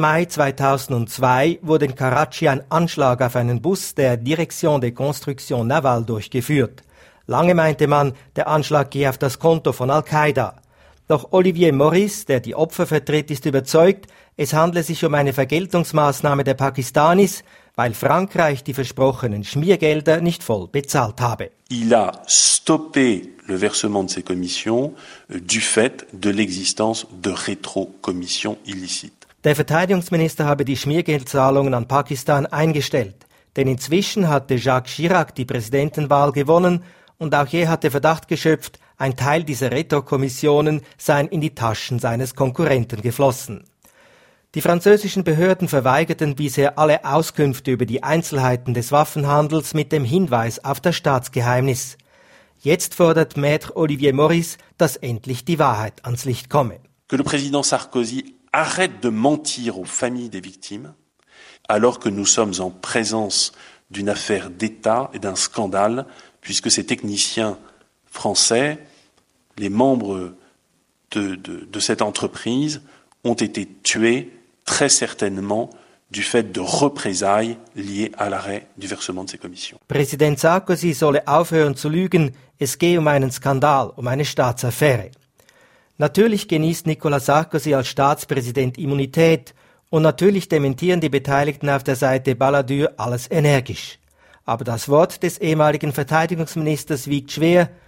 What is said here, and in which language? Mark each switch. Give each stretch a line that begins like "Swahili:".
German: Mai 2002 wurde in Karachi ein Anschlag auf einen Bus der Direction de Construction Navale durchgeführt. Lange meinte man, der Anschlag gehe auf das Konto von Al-Qaida. Doch Olivier Morris, der die Opfer vertritt, ist überzeugt, es handle sich um eine Vergeltungsmaßnahme der Pakistanis, weil Frankreich die versprochenen Schmiergelder nicht voll bezahlt habe.
French: Il a stoppé le versement de ces commissions du fait de l'existence de rétrocommissions illicites.
German: Der Verteidigungsminister habe die Schmiergeldzahlungen an Pakistan eingestellt, denn inzwischen hatte Jacques Chirac die Präsidentenwahl gewonnen und auch er hatte Verdacht geschöpft, ein Teil dieser Retrokommissionen seien in die Taschen seines Konkurrenten geflossen. Die französischen Behörden verweigerten bisher alle Auskünfte über die Einzelheiten des Waffenhandels mit dem Hinweis auf das Staatsgeheimnis. Jetzt fordert Maître Olivier Morris, dass endlich die Wahrheit ans Licht komme.
French: Que le président Sarkozy arrête de mentir aux familles des victimes, alors que nous sommes en présence d'une affaire d'État et d'un scandale, puisque ces techniciens français, les membres de cette entreprise ont été tués très certainement du fait de représailles liées à l'arrêt du versement de ces commissions.
German: Präsident Sarkozy solle aufhören zu lügen, es gehe um einen Skandal, um eine Staatsaffäre. Natürlich genießt Nicolas Sarkozy als Staatspräsident Immunität und natürlich dementieren die Beteiligten auf der Seite Balladur alles energisch. Aber das Wort des ehemaligen Verteidigungsministers wiegt schwer.